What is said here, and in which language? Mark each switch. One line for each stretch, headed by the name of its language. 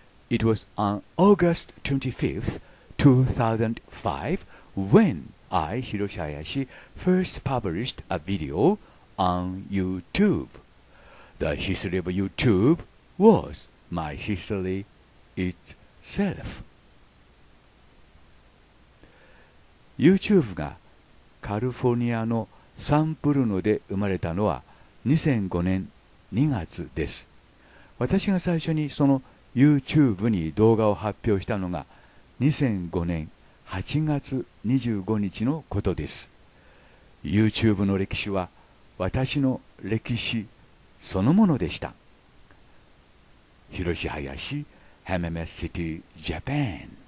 English: It was on August 25th, 2005 when I, Hiroshi Hayashi, first published a video on YouTube. The history of YouTube was my history itself.
Japanese: YouTube がカリフォルニアのサンプルノで生まれたのは2005年2月です。私が最初にその YouTube に動画を発表したのが2005年8月25日のことです。 YouTube の歴史は私の歴史そのものでした。広志林、HMS City Japan。